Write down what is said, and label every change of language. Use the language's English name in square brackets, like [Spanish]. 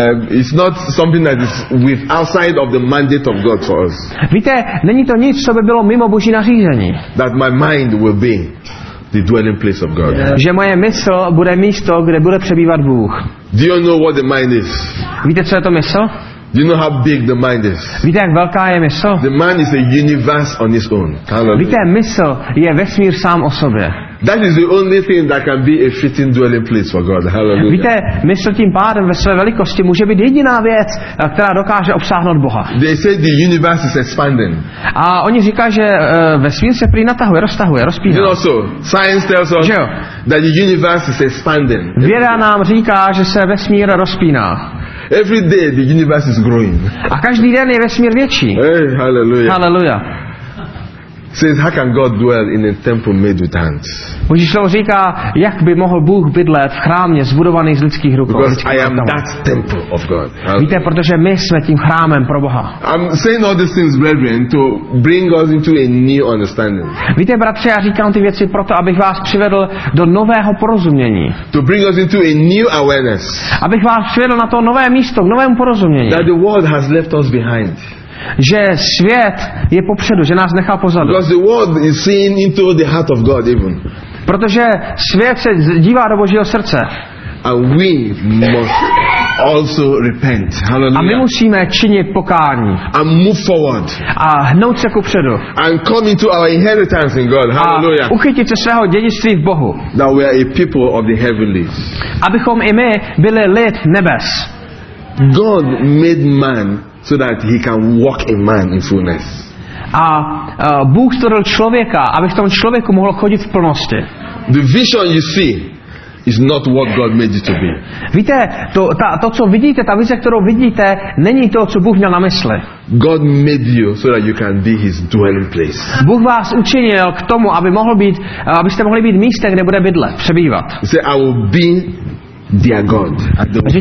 [English] It's not something that is with outside of the mandate of God for us. [Czech] Víte, není to nic, co by bylo mimo Boží nařízení. [English] That my mind will be the dwelling place of God. Yeah. [Czech] Že moje mysl bude místo, kde bude přebývat Bůh. [English] Do you know what the mind is? [Czech] Víte, co je to mysl? [English] Do you know how big the mind is? [Czech] Víte, jak velká je mysl? [English] The mind is a universe on its own. Hallelujah. [Czech] Víte, mysl je vesmír sám o sobě. [English] That is the only thing that can be a fitting dwelling place for God. Hallelujah. [Czech] Víte, mysl tím pádem ve své velikosti může být jediná věc, která dokáže obsáhnout Boha. [English] They say the universe is expanding. [Czech] A oni říkají, že vesmír se prý natahuje, roztahuje, rozpíná. [English] You know, so science tells us that the universe is expanding. [Czech] Věda nám říká, že se vesmír rozpíná. [English] Every day the universe is growing. [Czech] A každý den je vesmír větší. Hey, hallelujah. Hallelujah. [English] Says, how can God dwell in a temple made with hands? [Czech] Boží slovo říká, jak by mohl Bůh bydlet v chrámě zbudovaný z lidských rukou. [English] Because I am that temple of God. [Czech] Víte, protože my jsme tím chrámem pro Boha. [English] I'm saying all these things, brethren, to bring us into a new understanding. [Czech] Víte, bratře, já říkám ty věci proto, abych vás přivedl do nového porozumění. [English] To bring us into a new awareness. [Czech] Abych vás přivedl na to nové místo, k novému porozumění. [English] That the world has left us behind. [Czech] Že svět je popředu, že nás nechá pozadu. [English] Because the world is seen into the heart of God even. [Czech] Protože svět se dívá do Božího srdce. [English] And we must also repent. Hallelujah. [Czech] A my musíme činit pokání. [English] And move forward. [Czech] A hnout se kupředu. [English] And come into our inheritance in God. Hallelujah. [Czech] A uchytit se svého dědictví v Bohu. [English] That we are a people of the heavenlies. [Czech] Abychom i my byli lid nebes. [English] God made man so that he can walk a man in fullness. [Czech] A Bůh stvořil člověka, aby v tom člověku mohl chodit v plnosti. [English] The vision you see is not what God made it to be. [Czech] Víte, to co vidíte, ta vize, kterou vidíte, není to, co Bůh měl na mysli. [English] God made you so that you can be his dwelling place. [Czech] Bůh vás učinil k tomu, abyste mohli být místem, kde bude bydlet, přebývat. [English] Say, I will be their God, and they will